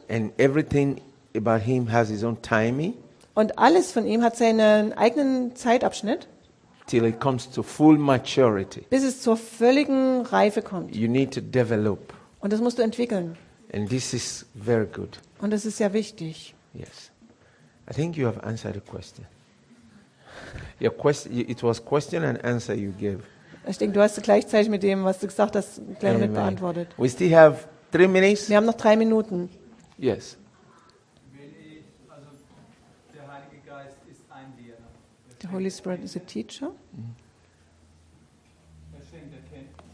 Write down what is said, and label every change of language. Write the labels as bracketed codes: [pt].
[en] And everything about him has his own timing. [de] Und alles von ihm hat seinen eigenen Zeitabschnitt. [en] Till it comes to full maturity. [de] Bis es zur völligen Reife kommt. [en] You need to develop. [de] Und das musst du entwickeln. [en] And this is very good. [de] Und das ist sehr wichtig. [en] Yes. I think you have answered the question. Your question, it was question and answer you gave. [de] Ich denke, du hast gleichzeitig mit dem, was du gesagt hast, gleich mit beantwortet. [en] We still have 3 minutes. [de] Wir haben noch 3 Minuten. [en] Yes. The Holy Spirit is a teacher. Mm-hmm.